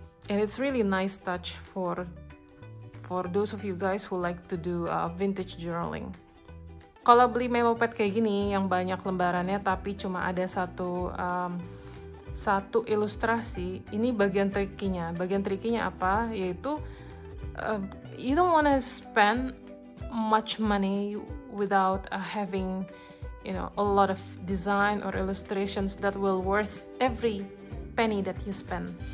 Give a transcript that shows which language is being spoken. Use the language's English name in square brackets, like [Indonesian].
[English] And it's really nice touch for those of you guys who like to do vintage journaling. [Indonesian] Kalau beli memo pad kayak gini yang banyak lembarannya tapi cuma ada satu ilustrasi, ini bagian trikinya. Bagian trikinya apa? Yaitu [English] you don't want to spend much money without having, you know, a lot of design or illustrations that will worth every penny that you spend.